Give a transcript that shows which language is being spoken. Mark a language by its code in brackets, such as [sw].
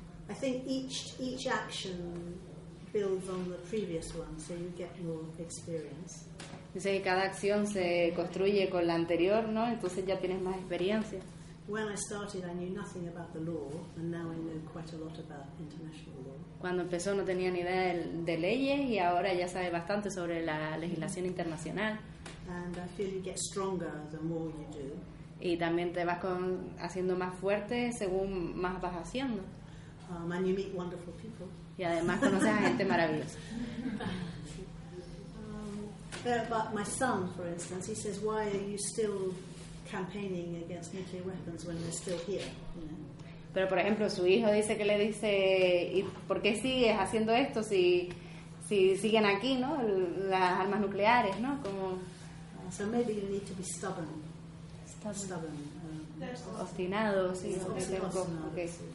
[en] I think each action builds on the previous one, so you get more experience. [es] Dice que cada acción se construye con la anterior, ¿no? Entonces ya tienes más experiencia. [en] When I started, I knew nothing about the law, and now I know quite a lot about international law. [es] Cuando empezó no tenía ni idea de leyes y ahora ya sabe bastante sobre la legislación internacional. [en] And I feel you get stronger the more you do. [es] Y también te vas haciendo más fuerte según más vas haciendo. [en] And you meet wonderful people. [es] Y además conoces a gente maravillosa. [en] But my son, for instance, he says, "Why are you still campaigning against nuclear weapons when they're still here?" [es] Pero por ejemplo, su hijo dice que le dice, ¿y por qué sigues haciendo esto si siguen aquí, no? Las armas nucleares, ¿no? Como. [en] So maybe you need to be stubborn. [es] Stubborn. Obstinado, sí. Okay.